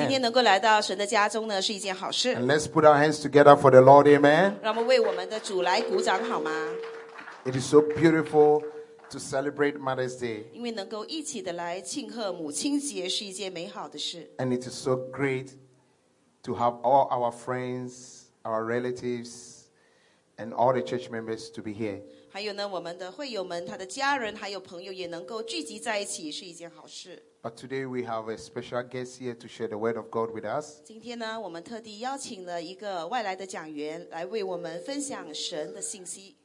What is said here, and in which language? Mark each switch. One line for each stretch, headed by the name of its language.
Chinese: 今天能够来到神的家中呢，是一件好事。
English: And let's put our hands together for the Lord, amen.
Chinese: 让我们为我们的主来鼓掌好吗？
English: It is so beautiful to celebrate Mother's Day.
Chinese: 因为能够一起的来庆贺母亲节是一件美好的事。
English: And it is so great to have all our friends, our relatives, and all the church members to be here.
Chinese: 还有呢，我们的会友们，他的家人还有朋友也能够聚集在一起，是一件好事。
English: But today we have a special guest here to share the word of God with us.
Chinese: 今天呢，我们特地邀请了一个外来的讲员来为我们分享神的信息。